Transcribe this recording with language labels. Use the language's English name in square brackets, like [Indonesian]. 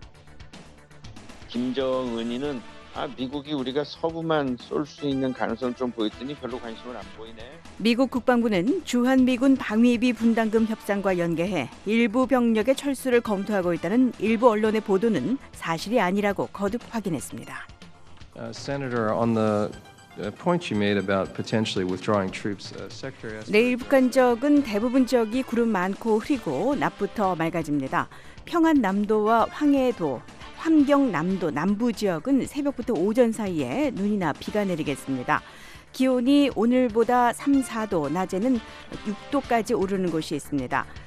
[Korean] 김정은이는 미국이 우리가 서부만 쏠 수 있는 가능성 좀 보였더니 별로 관심을 안 보이네. 미국 국방부는 주한미군 방위비 분담금 협상과 연계해 일부 병력의 철수를 검토하고 있다는 일부 언론의 보도는 사실이 아니라고 거듭 확인했습니다. [English] Senator, on the point you made about potentially withdrawing troops, Secretary Esper. [Korean] 내일 북한 지역은 대부분 지역이 구름 많고 흐리고 낮부터 맑아집니다. 평안남도와 황해도, 함경남도 남부 지역은 새벽부터 오전 사이에 눈이나 비가 내리겠습니다. 기온이 오늘보다 3, 4도, 낮에는 6도까지 오르는 곳이 있습니다.